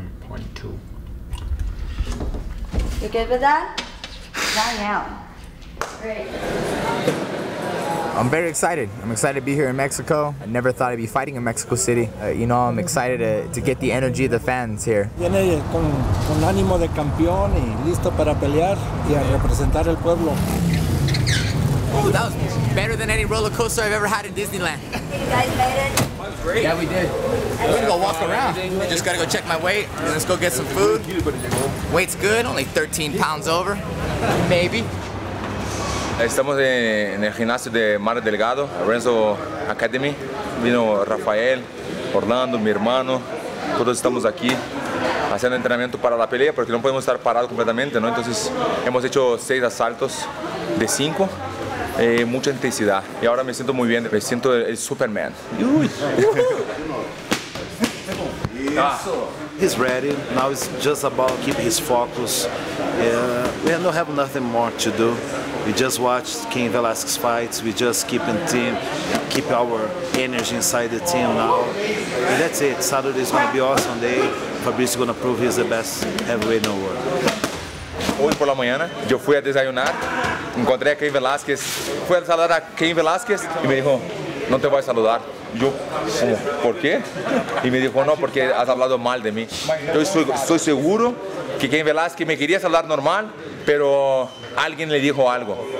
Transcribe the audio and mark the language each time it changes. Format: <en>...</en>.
<en>71.2. You good with that? Dying out. Great. I'm very excited. I'm excited to be here in Mexico. I never thought I'd be fighting in Mexico City. You know, I'm excited to get the energy of the fans here.</en> <es>Viene con ánimo de campeón y listo para pelear y a representar el pueblo.</es> <en>Oh, that was better than any roller coaster I've ever had in Disneyland. You guys made it? Great. Yeah, we did. We're gonna go walk around. I just gotta go check my weight. Let's go get some food. Weight's good, only 13 pounds over. Maybe.</en> <es>Estamos en el gimnasio de Mar Delgado, Renzo Academy. Vino Rafael, Orlando, mi hermano. Todos estamos aquí haciendo entrenamiento para la pelea porque no podemos estar parados completamente, ¿no? Entonces hemos hecho 6 asaltos de 5 mucha intensidad. Y ahora me siento muy bien, me siento el Superman.</es> <en>He's ready. Now it's just about keeping his focus. We don't have nothing more to do. We just watch Cain Velasquez fights. We just keep in team, keep our energy inside the team now. And that's it. Saturday is going to be awesome day. Fabricio is going to prove he's the best heavyweight in the world.</en> <es>Hoy por la mañana, yo fui a desayunar. Encontré a Cain Velasquez. Fui a saludar a Cain Velasquez y me dijo, no te voy a saludar. Yo, ¿cómo? ¿Por qué? Y me dijo, no, porque has hablado mal de mí. Yo estoy seguro que Cain Velasquez me quería saludar normal, pero alguien le dijo algo.</es>